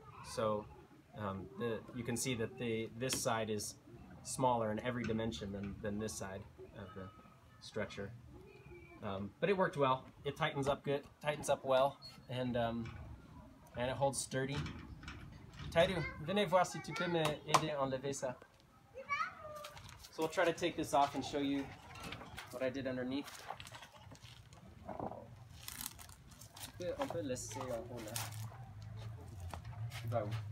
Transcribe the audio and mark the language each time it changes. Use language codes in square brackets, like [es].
[en] So you can see that this side is smaller in every dimension than this side of the stretcher. But it worked well. It tightens up good, tightens up well, and it holds sturdy. [fr] Taidu, venez voir si tu peux m'aider à enlever ça. [en] So we'll try to take this off and show you what I did underneath. [fr] On peut laisser en haut là.